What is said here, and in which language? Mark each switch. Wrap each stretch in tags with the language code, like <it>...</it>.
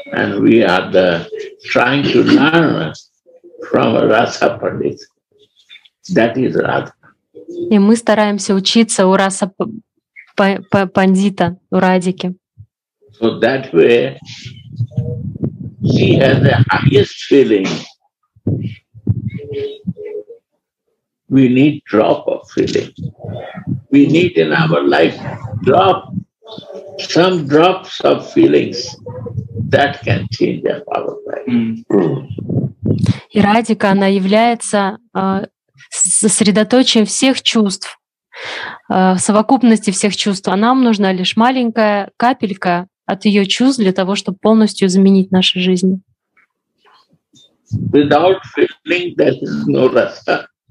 <en>And we are the trying to learn from Rasa Pandit. That is Radha.</en> <ru>И мы стараемся учиться у Раса Пандита, у Радики.</ru> <en>So that way she has the highest feeling. We need drop of feeling. We need in our life drop, some drops of feelings that can change our life.</en> <ru>И Радика, она является сосредоточим всех чувств, совокупности всех чувств, а нам нужна лишь маленькая капелька от ее чувств для того, чтобы полностью заменить нашу жизнь.</ru> <en>Without feeling, there is no rasa.</en>